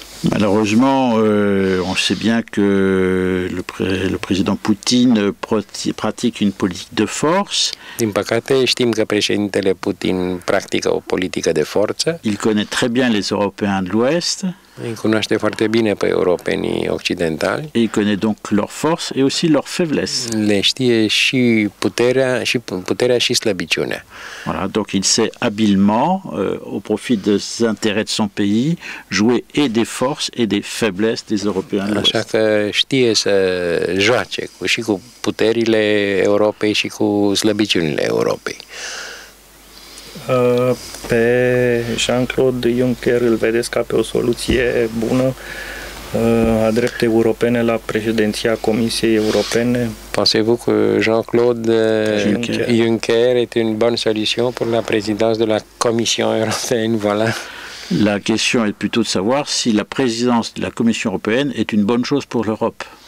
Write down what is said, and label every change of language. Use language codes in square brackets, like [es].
[fr] Malheureusement, on sait bien que le président Poutine pratique une politique de force. [ro] Din păcate, știm că președintele Putin practică o politică de forță. [fr] Il connaît très bien les Européens de l'Ouest. [ro] Îi cunoaște foarte bine pe europenii occidentali. [fr] Il connaît donc leurs forces et aussi leurs faiblesses. [ro] Le știe și puterea și puterea și slăbiciunea. [fr] Voilà, donc il sait habilement au profit des intérêts de son pays jouer et des forces et des faiblesses des Européens de l'Ouest. [ro] Așa că știe să joace cu și cu puterile Europei și cu slăbiciunile Europei. Pe Jean-Claude Juncker îl vedeți ca pe o soluție bună a dreptei europene la președinția Comisiei Europene? [fr] Pensez-vous que Jean-Claude Juncker est une bonne solution pour la présidence de la Commission européenne? Voilà. La question est plutôt de savoir si la présidence de la Commission européenne est une bonne chose pour l'Europe.